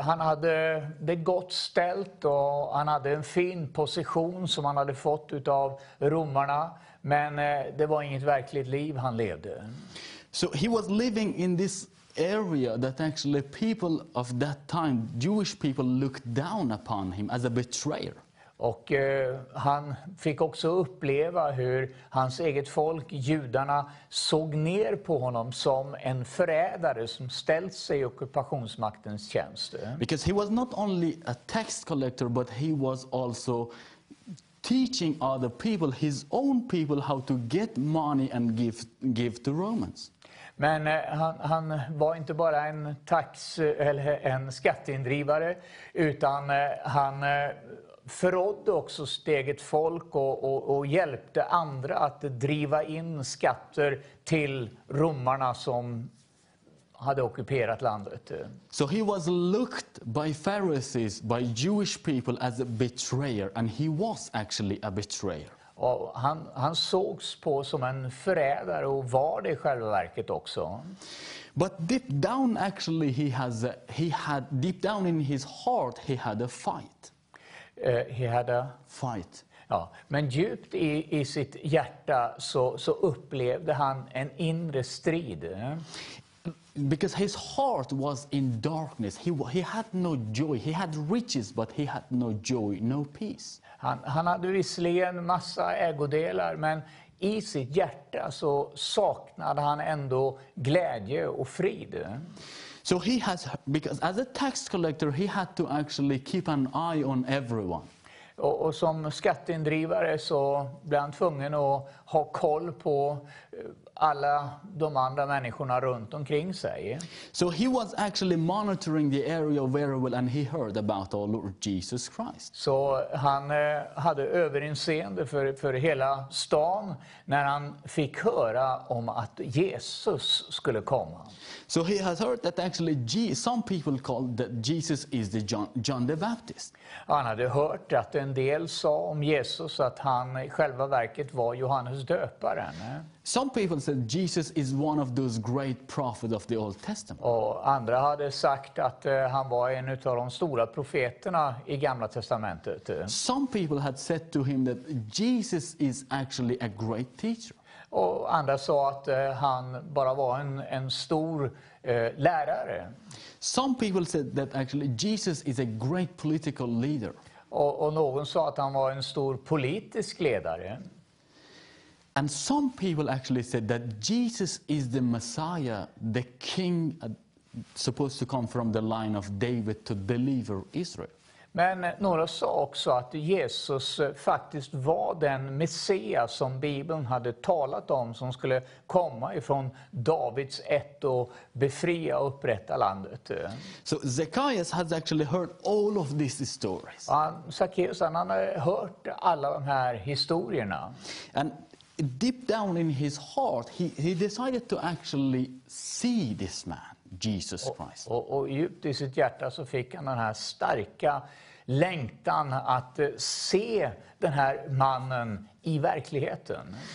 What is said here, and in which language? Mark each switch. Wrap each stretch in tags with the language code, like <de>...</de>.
<sv>Han hade det gott ställt och han hade en fin position som han hade fått utav romarna. Men det var inget verkligt liv han levde.</sv> <en>So he was living in this area that actually people of that time, Jewish people, looked down upon him as a betrayer.</en> <sv>Och han fick också uppleva hur hans eget folk, judarna, såg ner på honom som en förrädare som ställt sig i ockupationsmaktens tjänst.</sv> <en>Because he was not only a tax collector, but he was also teaching other people, his own people, how to get money and give to Romans.</en> <sv>Men han var inte bara en tax eller en skatteindrivare, utan han förrådde också sitt eget folk och hjälpte andra att driva in skatter till romarna som hade ockuperat landet.</sv> <en>So he was looked by Pharisees, by Jewish people, as a betrayer, and he was actually a betrayer.</en> <sv>Och han sågs på som en förrädare och var det i själva verket också.</sv> <en>But deep down actually he had deep down in his heart he had a fight. He had a fight.</en> <sv>Ja, men djupt i sitt hjärta så upplevde han en inre strid.</sv> <en>Because his heart was in darkness. He had no joy. He had riches, but he had no joy, no peace.</en> <sv>Han hade visserligen massa ägodelar, men i sitt hjärta så saknade han ändå glädje och frid.</sv> <en>So he has, because as a tax collector, he had to actually keep an eye on everyone.</en> <sv>Och som skatteindrivare så blev han tvungen att ha koll på alla de andra människorna runt omkring sig.</sv> <en>So he was actually monitoring the area very well and he heard about our Lord Jesus Christ.</en> <sv>Så han hade överinseende för hela stan när han fick höra om att Jesus skulle komma.</sv> <en>So he has heard that actually some people call that Jesus is the John the Baptist.</en> <sv>Han hade hört att en del sa om Jesus att han i själva verket var Johannes döparen.</sv> <en>Some people said Jesus is one of those great prophets of the Old Testament.</en> <sv>Och andra hade sagt att han var en utav de stora profeterna i Gamla testamentet.</sv> <en>Some people had said to him that Jesus is actually a great teacher.</en> <sv>Och andra sa att han bara var en stor lärare.</sv> <en>Some people said that actually Jesus is a great political leader.</en> <sv>Och någon sa att han var en stor politisk ledare.</sv> <en>And some people actually said that Jesus is the Messiah, the king supposed to come from the line of David to deliver Israel.</en> <sv>Men några sa också att Jesus faktiskt var den Messias som Bibeln hade talat om som skulle komma ifrån Davids ett och befria och upprätta landet.</sv> <en>So Zacchaeus has actually heard all of these stories.</en> <sv>Zacchaeus, han har hört alla de här historierna.</sv> <en>And deep down in his heart, he decided to actually see this man, Jesus Christ.</en> <sv>Och djupt i sitt hjärta så fick han den här starka längtan att se den här mannen i verkligheten.</sv>